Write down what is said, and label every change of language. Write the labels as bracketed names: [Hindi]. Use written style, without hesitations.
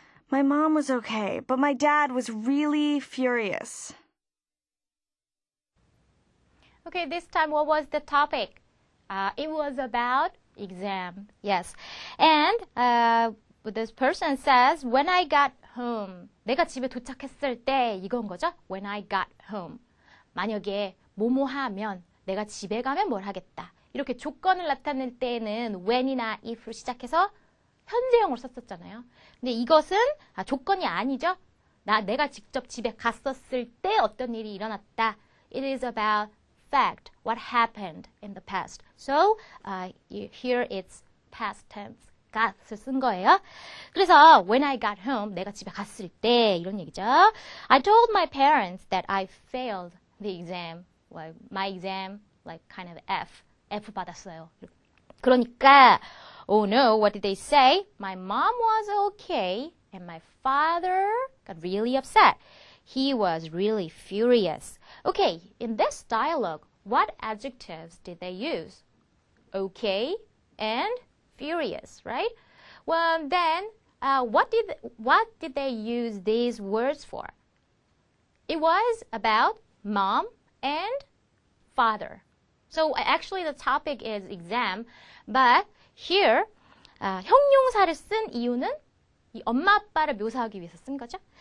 [English] My mom was okay, but my dad was really furious. Okay, this time what was the topic? It was about exam, yes. And But this person says, when I got home, [Korean] 내가 집에 도착했을 때 이건 거죠? [English] When I got home, [Korean] 만약에 뭐뭐 하면, 내가 집에 가면 뭘 하겠다. 이렇게 조건을 나타낼 때에는 when이나 if로 시작해서 현재형을 썼었잖아요. 근데 이것은 조건이 아니죠. 내가 직접 집에 갔었을 때 어떤 일이 일어났다. [English] It is about fact, what happened in the past. So here it's past tense. [Korean] got을 쓴 거예요. 그래서 [English] when I got home, [Korean] 내가 집에 갔을 때 이런 얘기죠. [English] I told my parents that I failed the exam. Well, my exam, like kind of F [Korean] 받았어요. 그러니까 [English] oh no, what did they say? My mom was okay and my father got really upset. He was really furious. Okay, in this dialogue, what adjectives did they use? Okay and furious, right? Well, then, what did they use these words for? It was about mom and father. So actually, the topic is exam, but here, [Korean] 형용사를 쓴 이유는 이 엄마 아빠를 묘사하기 위해서 쓴 거죠.